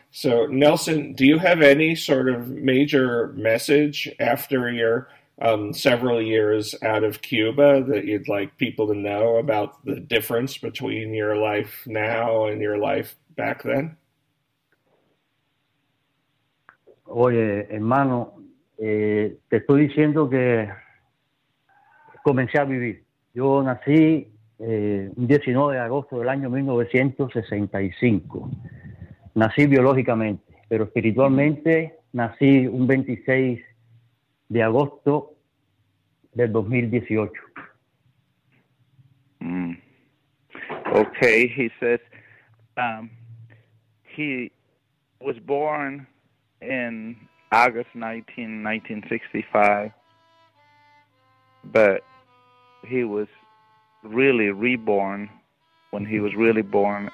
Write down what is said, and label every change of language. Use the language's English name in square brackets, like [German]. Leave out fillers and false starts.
[English] So, Nelson, do you have any sort of major message after your several years out of Cuba that you'd like people to know about the difference between your life now and your life back then? [Spanish] Oye, hermano, te estoy diciendo que comencé a vivir. Yo nací un 19 de agosto del año 1965. Nací biológicamente, pero espiritualmente nací un 26 de agosto del 2018. [English] Okay, he says he was born in August 19, 1965, but he was really reborn when he was really born.